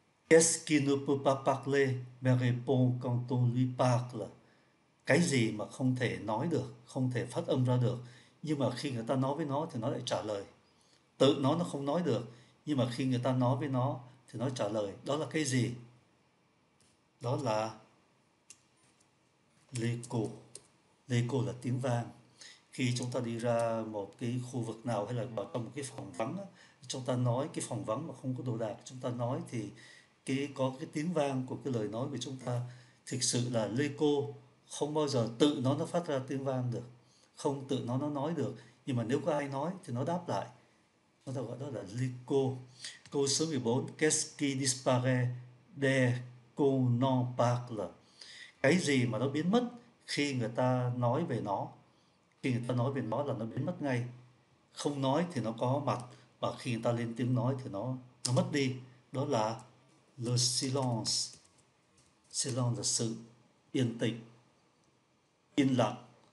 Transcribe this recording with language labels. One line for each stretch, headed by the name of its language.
French: Qu'est-ce qui ne peut pas parler mais répond quand on lui parle?
Vietnamese: Cái gì mà không thể nói được, không thể phát âm ra được, nhưng mà khi người ta nói với nó thì nó lại trả lời? Tự nó không nói được, nhưng mà khi người ta nói với nó thì nó trả lời. Đó là cái gì? Đó là l'écho. L'écho là tiếng vang. Khi chúng ta đi ra một cái khu vực nào hay là vào trong một cái phòng vắng, chúng ta nói cái phòng vắng mà không có đồ đạc, chúng ta nói thì có cái tiếng vang của cái lời nói của chúng ta thực sự là l'écho. Không bao giờ tự nó phát ra tiếng vang được, không tự nó nói được, nhưng mà nếu có ai nói thì nó đáp lại. Chúng ta gọi đó là l'écho. Câu số 14,
French: qu'est-ce qui disparaît dès qu'on en parle?
Vietnamese: Cái gì mà nó biến mất khi người ta nói về nó? Khi người ta nói về nó là nó biến mất ngay, không nói thì nó có mặt, và khi người ta lên tiếng nói thì nó mất đi. Đó là le silence. Silence là sự yên tĩnh, yên lặng.